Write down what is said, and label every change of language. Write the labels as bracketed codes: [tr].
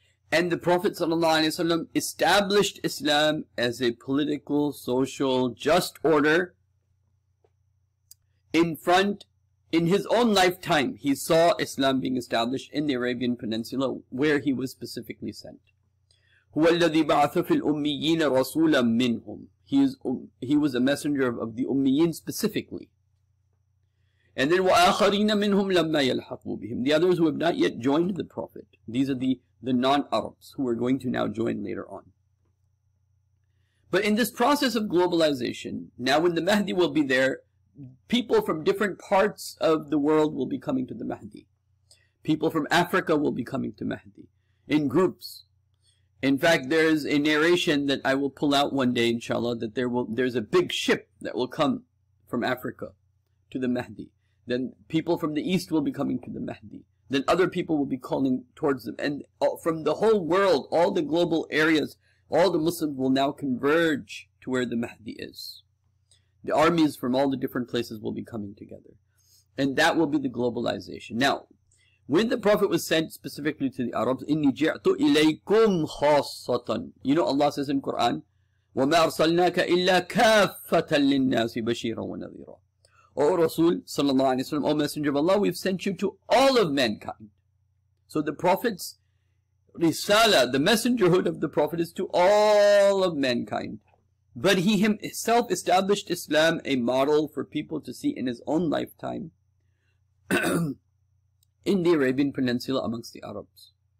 [en] And the Prophet ﷺ established Islam as a political, social, just order. In his own lifetime, he saw Islam being established in the Arabian Peninsula where he was specifically sent. [ar] هو الذي بعث في الأميين رسولا منهم. [en] He was a messenger of the Ummiyin specifically. And then [ar] وَآخَرِينَ مِنْهُمْ لَمَّا يَلْحَقُوا بِهِمْ. [en] The others who have not yet joined the Prophet. These are the non-Arabs who are going to now join later on. But in this process of globalization, now when the Mahdi will be there, people from different parts of the world will be coming to the Mahdi. People from Africa will be coming to Mahdi in groups. In fact, there is a narration that I will pull out one day, inshallah, that there's a big ship that will come from Africa to the Mahdi. Then people from the East will be coming to the Mahdi. Then other people will be calling towards them. And from the whole world, all the global areas, all the Muslims will now converge to where the Mahdi is. The armies from all the different places will be coming together. And that will be the globalization. Now, when the Prophet was sent specifically to the Arabs, [ar] إِنِّي جِعْتُ إِلَيْكُمْ خَاصَّةً. [en] You know, Allah says in Quran, [ar] وَمَا أَرْسَلْنَاكَ إِلَّا كَافَّةً لِلنَّاسِ بَشِيرًا وَنَذِيرًا. [en] O Rasul, sallallahu alayhi wa sallam, O Messenger of Allah, we've sent you to all of mankind. So the Prophet's risala, the messengerhood of the Prophet, is to all of mankind. But he himself established Islam a model for people to see in his own lifetime. In the Arabian Peninsula amongst the Arabs.